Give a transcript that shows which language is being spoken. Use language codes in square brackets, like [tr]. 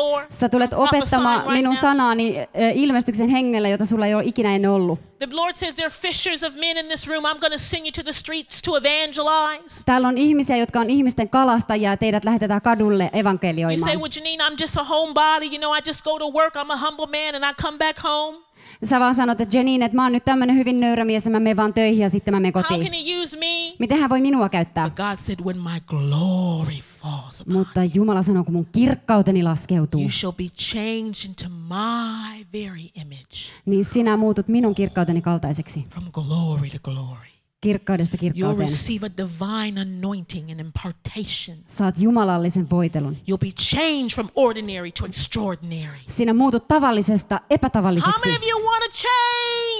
[fi] Sä tulet opettamaan minun sanani ilmestyksen hengellä, jota sulla ei ole ikinä ennen ollut. [en] The Lord says there are fishers of men in this room. I'm going to send you to the streets to evangelize. [fi] Täällä on ihmisiä, jotka on ihmisten kalastajia, teidät lähetetään kadulle evankelioimaan. [en] You say, well, Juennine, I'm just a homebody. You know, I just go to work. I'm a humble man and I come back home. [fi] Sä vaan sanot, että Juennine, että mä oon nyt tämmönen hyvin nöyrä mies ja mä menen vaan töihin ja sitten mä menen kotiin. [en] How can he use me? [fi] Miten hän voi minua käyttää? [en] But God said, when my glory falls upon [fi] mutta Jumala sanoo, kun mun kirkkauteni laskeutuu. [en] You shall be changed into my very image. [fi] Niin sinä muutut minun kirkkauteni kaltaiseksi. [en] From glory to glory. [fi] Kirkkaudesta kirkkauteen. [en] You'll receive a divine anointing and impartation. [fi] Saat jumalallisen voitelun. [en] You'll be changed from ordinary to extraordinary. [fi] Sinä muutut tavallisesta epätavalliseksi. [en] How many of you want to change?